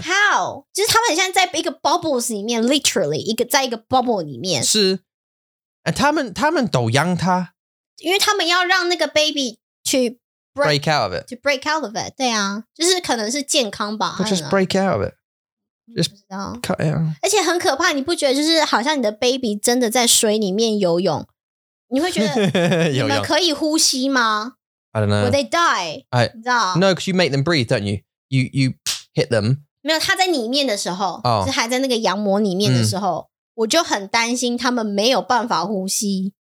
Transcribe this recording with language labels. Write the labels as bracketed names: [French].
[Chinese] How? 就是他们现在在一个 bubbles 里面 Literally 一个在一个 bubble 里面是 And 他们都养他因为他们要让那个 baby To [English] break out of it To break out of it [Chinese] 对啊就是可能是健康吧 [English] But just break out of it Just cut out [Chinese] 而且很可怕你不觉得就是好像你的 baby 真的在水里面游泳你会觉得你们可以呼吸吗 [English] I don't know. Will they die? No, because you make them breathe, don't you? You hit them. [Chinese] 没有，他在里面的时候，是还在那个羊膜里面的时候，我就很担心他们没有办法呼吸。